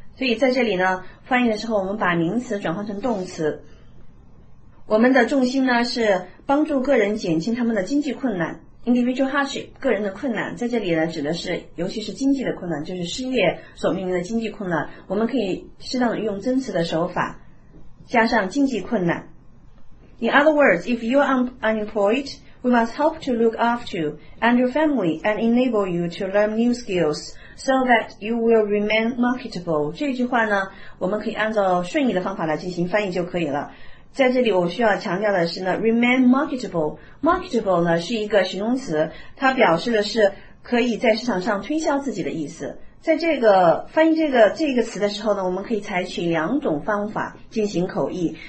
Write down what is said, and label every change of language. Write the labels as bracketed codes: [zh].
[zh] 所以在这里呢翻译的时候，我们把名词转换成动词，我们的重心呢是帮助个人减轻他们的经济困难， [en] individual hardship [zh] 个人的困难，在这里呢指的是尤其是经济的困难，就是失业所面临的经济困难，我们可以适当的用增词的手法加上经济困难。 [en] In other words, if you are unemployed, we must help to look after you and your family and enable you to learn new skills so that you will remain marketable。 [zh] 这句话呢我们可以按照顺义的方法来进行翻译就可以了。在这里我需要强调的是呢 [en] remain marketable， [zh] marketable 呢是一个形容词，它表示的是可以在市场上推销自己的意思。在这个翻译这个词的时候呢，我们可以采取两种方法进行口译。